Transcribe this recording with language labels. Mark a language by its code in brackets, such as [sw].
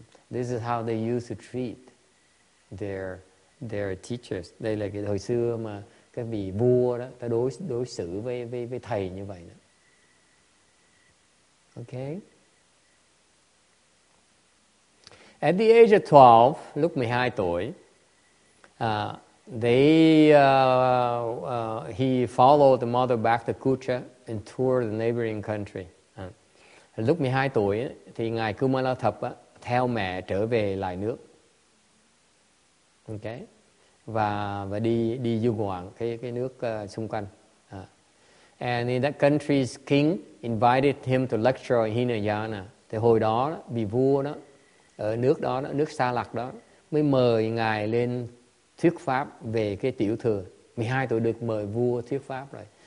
[en] This is how they used to treat their teachers. [vi] Đây là cái hồi xưa mà cái vị vua đó ta đối xử với thầy như vậy đó. [en] Okay. At the age of 12, [vi] lúc 12 tuổi, [en] he followed the mother back to Kucha and toured the neighboring country. [vi] Lúc 12 tuổi thì ngài Kumala Thập theo mẹ trở về lại nước. Okay. Và đi du ngoạn cái nước xung quanh. [en] And in that country's king invited him to lecture on Hinayana. [vi] Thì hồi đó vì vua đó ở nước đó, nước Sa Lạc đó mới mời ngài lên thuyết pháp về cái tiểu thừa. 12 tuổi được mời vua thuyết pháp rồi.